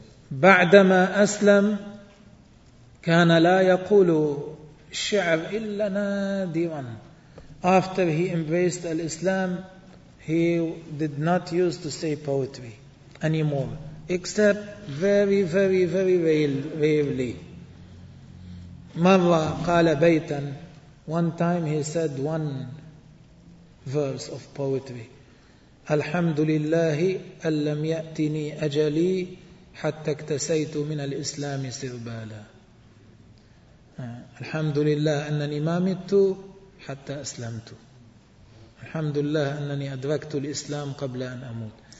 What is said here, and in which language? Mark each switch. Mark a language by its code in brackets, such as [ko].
[ar] بعدما أسلم كان لا يقول الشعر إلا نادرا. [en] After he embraced Islam, he did not use to say poetry anymore, except very, very, very rarely. [ar] مرة قال بيتا. [en] One time he said one verse of poetry. [ar] الحمد لله أن لم يأتني أجلي حتى اكتسيت من الإسلام سربالا. الحمد لله أنني ما مت حتى أسلمت. الحمد لله أنني أدركت الإسلام قبل أن أموت.